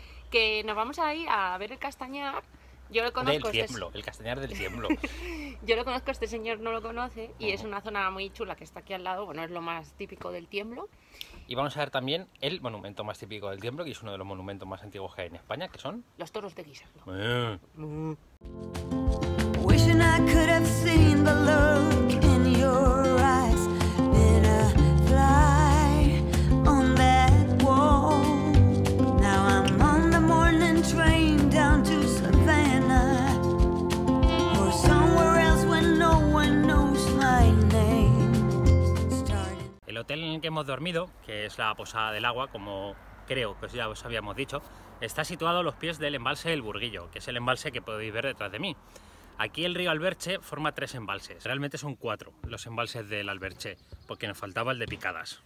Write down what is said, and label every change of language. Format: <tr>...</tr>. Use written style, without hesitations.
<es>Que nos vamos a ir a ver el castañar. Yo lo conozco. Del Tiemblo, el castañar del Tiemblo. Yo lo conozco, este señor no lo conoce, y es una zona muy chula que está aquí al lado, bueno, es lo más típico del Tiemblo. Y vamos a ver también el monumento más típico del Tiemblo, que es uno de los monumentos más antiguos que hay en España, que son... Los toros de Guisando.</es> <en>Wishing I could have seen the look in your eyes in a fly on that wall. Now I'm on the morning train down to Savannah or somewhere else where no one knows my name.</en> <es>El hotel en el que hemos dormido, que es la Posada del Agua, como creo que ya os habíamos dicho, está situado a los pies del embalse del Burguillo, que es el embalse que podéis ver detrás de mí. Aquí el río Alberche forma tres embalses, realmente son cuatro los embalses del Alberche, porque nos faltaba el de Picadas.</es>